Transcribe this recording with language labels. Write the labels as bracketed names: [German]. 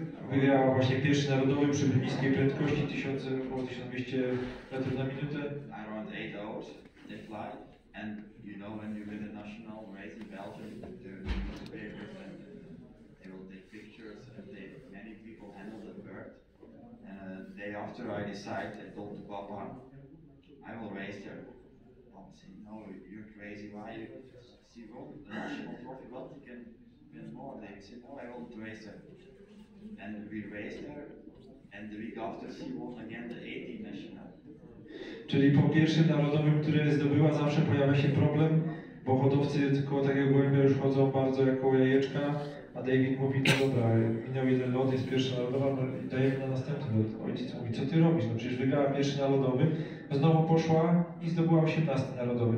[Polish] Wygrała właśnie pierwszy narodowy przy niskiej prędkości 1200 metrów na minutę. [English] Around 8 hours they fly, and you know when you win a national race in Belgium, the newspapers and they will take pictures and they, many people handle the bird. And day after I decide, I told the papa, I will race there. Papa said, no, you're crazy, why you see what the national trophy, what you can win more. They said, no, I will race there. And we raced there, and the week after she won again the 18 national. [Polish] Czyli po pierwszym narodowym, który zdobyła, zawsze pojawia się problem, bo hodowcy tylko takiego gołębia już chodzą bardzo jak koło jajeczka, a David mówi, no dobra, minął jeden lot, jest pierwszy narodowy, no i dajemy na następny lot. Ojciec mówi, co ty robisz? No przecież wygrała pierwszy narodowy, znowu poszła i zdobyła 18 narodowy.